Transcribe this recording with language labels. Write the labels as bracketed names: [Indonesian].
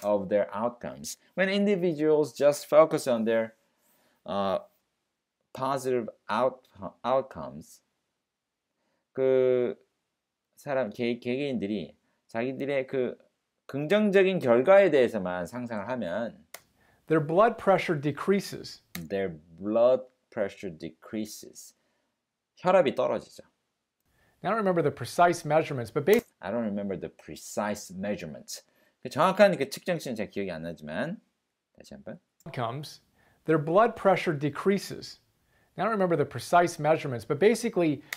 [English] of their outcomes when individuals just focus on their positive outcomes [Korean] 그 사람 개개인들이 자기들의 그 긍정적인 결과에 대해서만 상상을 하면 [English] their blood pressure decreases their blood pressure decreases [Korean] 혈압이 떨어지죠. [English] I don't remember the precise measurements, but basically I don't remember the precise measurements. [Korean] 그 정확한 그 측정치는 제가 기억이 안 나지만 다시 한번. [English] Outcomes, their blood pressure decreases. I don't remember the precise measurements, but basically.